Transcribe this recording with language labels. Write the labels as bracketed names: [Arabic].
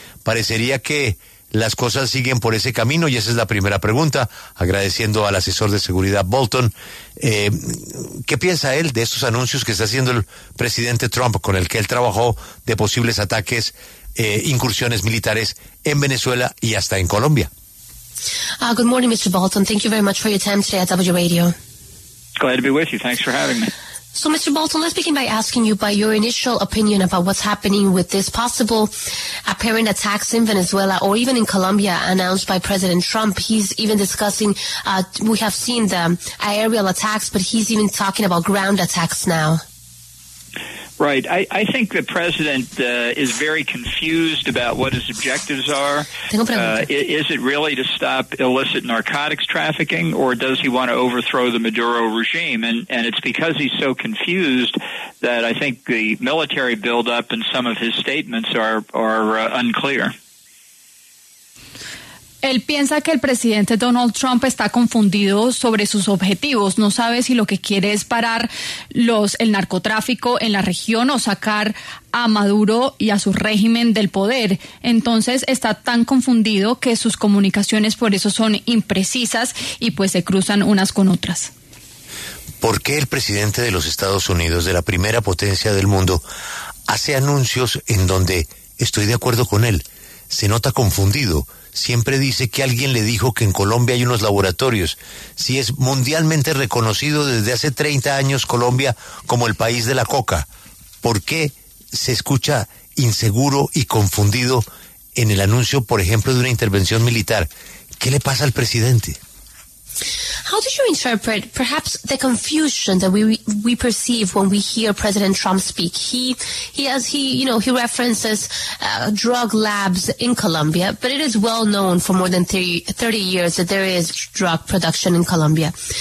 [Spanish] Parecería que las cosas siguen por ese camino, y esa es la primera pregunta, agradeciendo al asesor de seguridad Bolton. ¿Qué piensa él de estos anuncios que está haciendo el presidente Trump, con el que él trabajó, de posibles ataques, incursiones militares en Venezuela y hasta en Colombia? [English] Good morning, Mr. Bolton. Thank you very much for your time today at W Radio. Glad to be with you. Thanks for having me. So, Mr. Bolton, let's begin by asking you by your initial opinion about what's happening with this possible apparent attacks in Venezuela or even in Colombia announced by President Trump. He's even discussing, we have seen the aerial attacks, but he's even talking about ground attacks now. Right. I think the president is very confused about what his objectives are. Is it really to stop illicit narcotics trafficking, or does he want to overthrow the Maduro regime? And it's because he's so confused that I think the military buildup and some of his statements are unclear. [Spanish] Él piensa que el presidente Donald Trump está confundido sobre sus objetivos. No sabe si lo que quiere es parar el narcotráfico en la región o sacar a Maduro y a su régimen del poder. Entonces está tan confundido que sus comunicaciones por eso son imprecisas y pues se cruzan unas con otras. ¿Por qué el presidente de los Estados Unidos, de la primera potencia del mundo, hace anuncios en donde, estoy de acuerdo con él, se nota confundido? Siempre dice que alguien le dijo que en Colombia hay unos laboratorios. Si es mundialmente reconocido desde hace 30 años Colombia como el país de la coca, ¿por qué se escucha inseguro y confundido en el anuncio, por ejemplo, de una intervención militar? ¿Qué le pasa al presidente? [English] How did you interpret perhaps the confusion that we perceive when we hear President Trump speak? He references drug labs in Colombia, but it is well known for more than 30 years that there is drug production in Colombia.